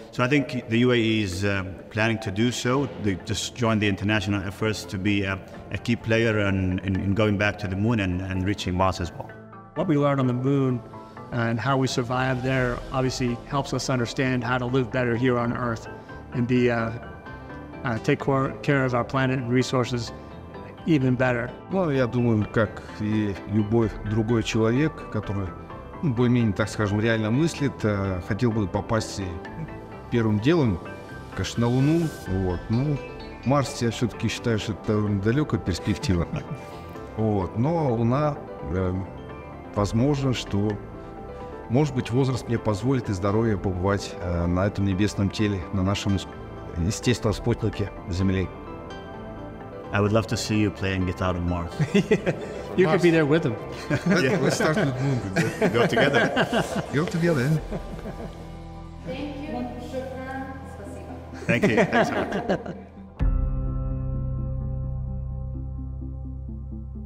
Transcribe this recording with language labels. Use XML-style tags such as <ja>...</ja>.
<en>So I think the UAE is planning to do so. They just joined the international efforts to be a key player in going back to the moon and reaching Mars as well. What we learned on the moon and how we survive there obviously helps us understand how to live better here on Earth and be take care of our planet and resources even better.</en> <ru>Well, я думаю, как и любой другой человек, который более-менее, так скажем, реально мыслит, хотел бы попасть первым делом, конечно, на Луну. Вот. Ну, Марс, я все-таки считаю, что это далекая перспектива. Вот. Но Луна, возможно, что... Может быть, возраст мне позволит и здоровье побывать на этом небесном теле, на нашем естественном спутнике Земли.</ru> <en>I would love to see you playing guitar on Mars. Yeah. You Mars. Could be there with him. Yeah. Let's start with the moon. Go together. Thank you. Thank you.</en>